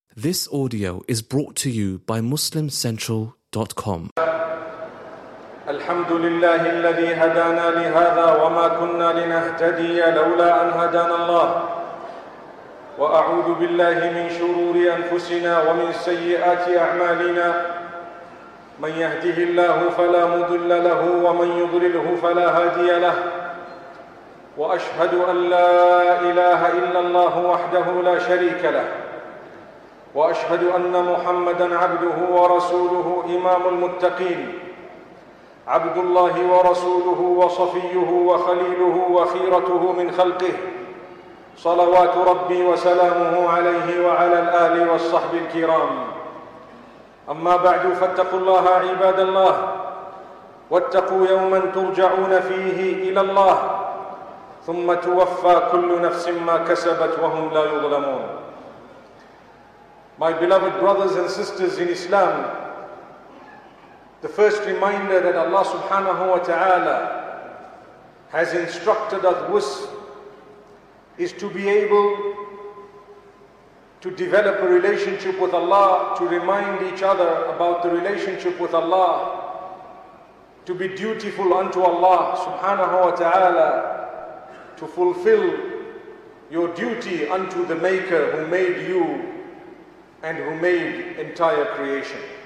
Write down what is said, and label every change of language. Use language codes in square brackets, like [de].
[en] This audio is brought to you by MuslimCentral.com. [ar] الحمد لله الذي هدانا لهذا وما كنا لنهتدي لولا أن هدانا الله وأعوذ بالله من شرور أنفسنا ومن سيئات أعمالنا من يهده الله فلا مضل له ومن يضلله فلا هادي له وأشهد أن لا إله إلا الله وحده لا شريك له وأشهد أن محمدًا عبده ورسوله إمام المتقين عبد الله ورسوله وصفيه وخليله وخيرته من خلقه صلوات ربي وسلامه عليه وعلى الآل والصحب الكرام أما بعد فاتقوا الله عباد الله واتقوا يومًا ترجعون فيه إلى الله ثم توفى كل نفس ما كسبت وهم لا يظلمون. [en] My beloved brothers and sisters in Islam, the first reminder that Allah subhanahu wa ta'ala has instructed us is to be able to develop a relationship with Allah, to remind each other about the relationship with Allah, to be dutiful unto Allah subhanahu wa ta'ala, to fulfill your duty unto the Maker who made you and who made entire creation.